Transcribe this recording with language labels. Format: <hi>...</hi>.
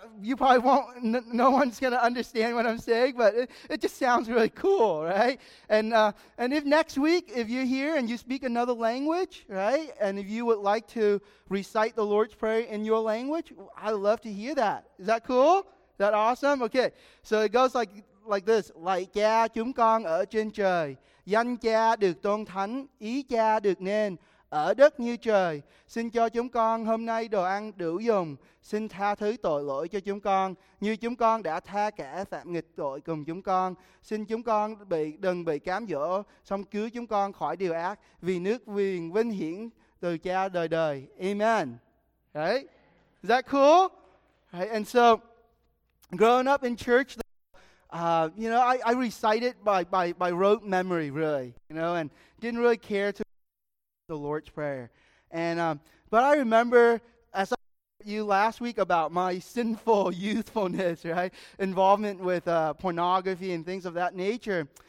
<en>You probably won't, no one's going to understand what I'm saying, but it just sounds really cool, right? And if next week, if you're here and you speak another language, right, and if you would like to recite the Lord's Prayer in your language, I'd love to hear that. Is that cool? Is that awesome? Okay. So it goes like this.</en> <vi>Lạy cha chúng con ở trên trời. Danh cha được tôn thánh, ý cha được nên, ở đất như trời. Xin cho chúng con hôm nay đồ ăn đủ dùng. Xin tha thứ tội lỗi cho chúng con, như chúng con đã tha kẻ phạm nghịch tội cùng chúng con. Xin chúng con đừng bị cám dỗ, xong cứu chúng con khỏi điều ác, vì nước quyền vinh hiển từ cha đời đời.</vi> <en>Amen. Right? Is that cool? Right? And so, growing up in church, you know, I recite it by rote memory, really, you know, and didn't really care to the Lord's Prayer. And but I remember, as I told you last week about my sinful youthfulness, right, involvement with pornography and things of that nature.</en>